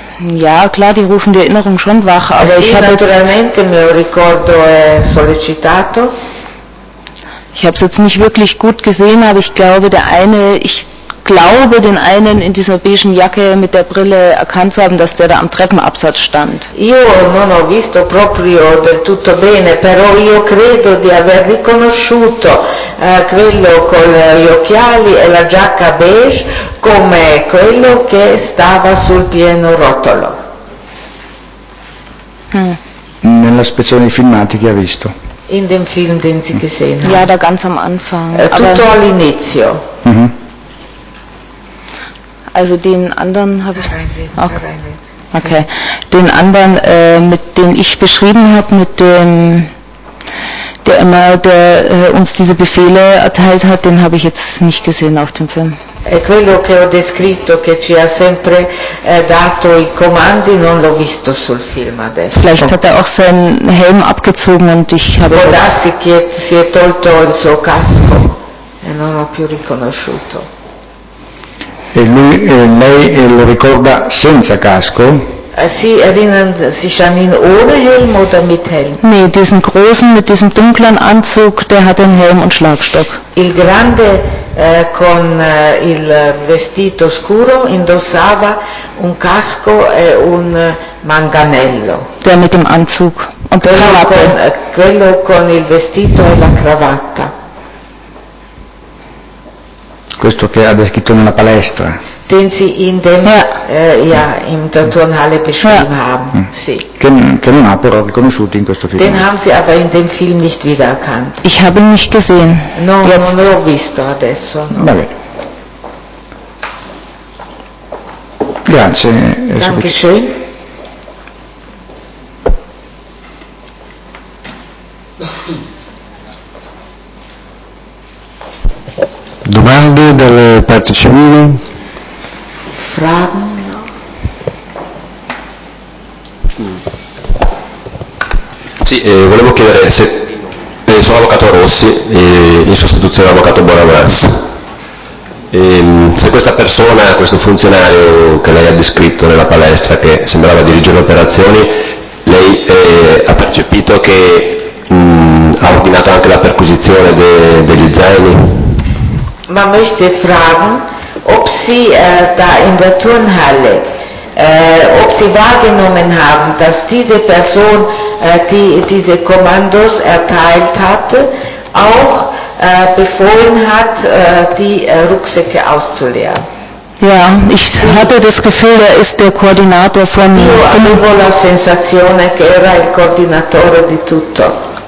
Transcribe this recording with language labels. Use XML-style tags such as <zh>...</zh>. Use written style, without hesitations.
<de>Ja, klar, die rufen die Erinnerung schon wach. Aber</de> <it>sì,</it> <de>ich habe</de> <it>naturalmente,</it> <de>jetzt,</de> <it>mio ricordo è sollecitato.</it> <de>Ich habe es jetzt nicht wirklich gut gesehen, aber ich glaube, den einen in dieser beigen Jacke mit der Brille erkannt zu haben, dass der da am Treppenabsatz stand.</de> <it>Io non ho visto proprio del tutto bene, però io credo di aver riconosciuto quello con gli occhiali e la giacca beige come quello che stava sul pieno rotolo. Nella spezione dei filmati che ha visto.</it> <de>In dem Film, den sie gesehen ja, da ganz am Anfang.</de> <it>Tutto</it> <de>aber</de> <it>all'inizio. Mhm.</it> <de>Also den anderen habe ich. Okay. Den anderen, mit dem ich beschrieben habe, mit dem, der immer, der uns diese Befehle erteilt hat, den habe ich jetzt nicht gesehen auf dem Film.</de> <it>E quello che ho descritto, che ci ha sempre dato i comandi, non l'ho visto sul film adesso.</it> <de>Vielleicht hat auch seinen Helm abgezogen und ich habe.</de> <it>Si è tolto il suo casco e non ho più riconosciuto. E lui, lei lo ricorda senza casco?</it> <de>Sie erinnern sich an ihn ohne Helm oder mit Helm? Nee, diesen großen mit diesem dunklen Anzug, der hat einen Helm und Schlagstock.</de> <it>Il grande con il vestito scuro indossava un casco e un manganello.</it> <de>Der mit dem Anzug und der Krawatte.</de> <it>Quello con il vestito e la cravatta. Questo che ha descritto nella palestra.</it> <de>Den sie in dem, ja, ja im Turnhalle beschrieben ja haben.</de> <it>Sì. Che non ha però riconosciuto in questo film.</it> <de>Den haben sie aber in dem Film nicht wiedererkannt. Ich habe ihn nicht gesehen.</de> <it>No,</it> <de>jetzt.</de> <it>Non l'ho visto adesso. No. Va bene. Grazie. Dankeschön. Domande dalle parti civili?</it> <de>Fragen?</de> <it>Sì, volevo chiedere se sono l'avvocato Rossi in sostituzione dell'avvocato Bonavas. Se questa persona, questo funzionario che lei ha descritto nella palestra che sembrava dirigere le operazioni, lei ha percepito che ha ordinato anche la perquisizione degli zaini?</it> <de>Man möchte fragen, ob Sie da in der Turnhalle, ob Sie wahrgenommen haben, dass diese Person, die diese Kommandos erteilt hat, auch befohlen hat, die Rucksäcke auszuleeren. Ja, ich hatte das Gefühl, er ist der Koordinator von mir.</de> <it>Io avevo la sensazione che era il coordinatore di tutto.</it>